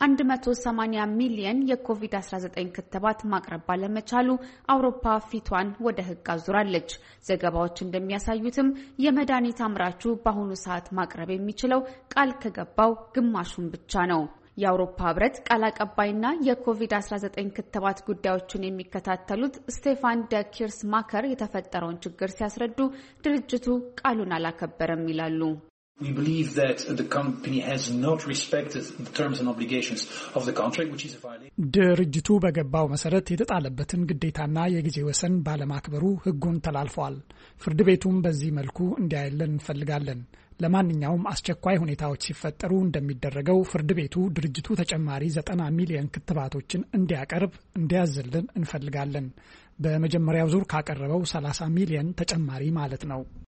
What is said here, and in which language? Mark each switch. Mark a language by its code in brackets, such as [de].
[am] 180 ሚሊዮን የኮቪድ-19 ክትባት ማቅረብ ባለመቻሉ አውሮፓ ፊቷን ወደ ህግ አዙራለች። ዘገባዎች እንደሚያሳዩትም የመድኃኒት አምራቹ በአሁኑ ሰዓት ማቅረብ የሚችለው ቃል ከገባው ግማሹን ብቻ ነው። የአውሮፓ ህብረት ቃል አቀባይና የኮቪድ-19 ክትባት ጉዳዮችን የሚከታተሉት ስቴፋን ደ ኪርስማከር የተፈጠረውን ችግር ሲያስረዱ ድርጅቱ ቃሉን አላከበረም ይላሉ። [en] We believe that the company has not respected the terms and obligations of the contract, which is a violation. [am] ድርጅቱ በገባው መሰረት የተጣለበትን ግዴታና የጊዜ ወሰን ባለማክበሩ ህጉን ተላልፏል። ፍርድ ቤቱም በዚህ መልኩ እንዲያይልን እንፈልጋለን። ለማንኛውም አስቸኳይ ሁኔታዎች ሲፈጠሩ እንደሚደረገው ፍርድ ቤቱ ድርጅቱ ተጨማሪ 90 ሚሊዮን ክትባቶችን እንዲያቀርብ እንዲያዝልን እንፈልጋለን። በመጀመሪያው ዙር ካቀረበው 30 ሚሊዮን ተጨማሪ ማለት ነው።